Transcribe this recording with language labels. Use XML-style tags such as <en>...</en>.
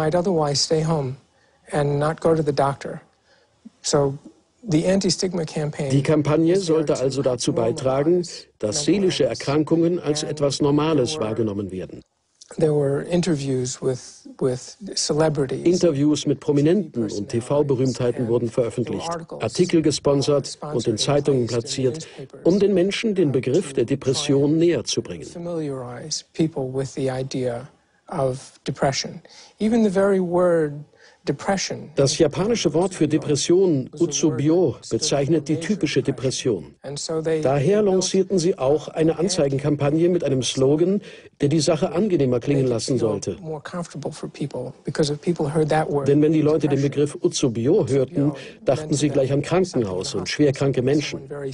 <de>Die Kampagne sollte also dazu beitragen, dass seelische Erkrankungen als etwas Normales wahrgenommen werden.</de> <en>There were interviews with celebrities.</en> <de>Interviews mit Prominenten und TV-Berühmtheiten wurden veröffentlicht, Artikel gesponsert und in Zeitungen platziert, um den Menschen den Begriff der Depression näher zu bringen.</de> <en>Familiarize people with the idea of depression. Even the very word</en> <de>Das japanische Wort für Depression, Utsubyo, bezeichnet die typische Depression. Daher lancierten sie auch eine Anzeigenkampagne mit einem Slogan, der die Sache angenehmer klingen lassen sollte. Denn wenn die Leute den Begriff Utsubyo hörten, dachten sie gleich an Krankenhaus und schwerkranke Menschen.</de>